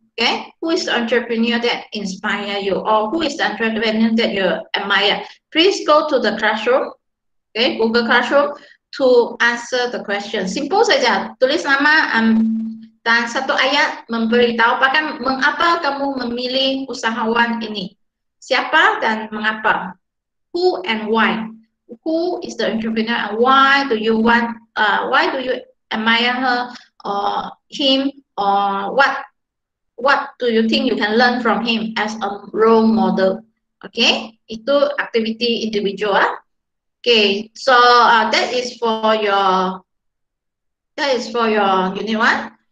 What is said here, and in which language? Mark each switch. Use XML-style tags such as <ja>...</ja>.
<en>Okay, who is the entrepreneur that inspire you, or who is the entrepreneur that you admire? Please go to the classroom, okay, Google Classroom, to answer the question.</en> <ms>Simple saja, tulis nama dan satu ayat memberitahu bahkan mengapa kamu memilih usahawan ini. Siapa dan mengapa?</ms> <en>Who and why? Who is the entrepreneur and why do you want? Why do you admire her or him or what? What do you think you can learn from him as a role model? Okay,</en> <ms>itu</ms> <en>activity individual. Okay, so that is for your unit one.</en>